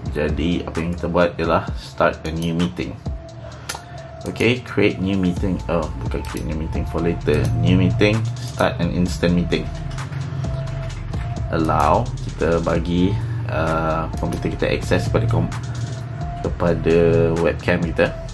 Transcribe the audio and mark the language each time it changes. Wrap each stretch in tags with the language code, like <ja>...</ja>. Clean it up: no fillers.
<ms>Jadi apa yang kita buat ialah</ms> <en>start a new meeting. Okay, create new meeting.</en> <ms>Oh, bukan</ms> <en>create new meeting for later. New meeting, start an instant meeting.</en> <ms>Allow, kita bagi komputer kita access kepada kepada webcam kita.</ms>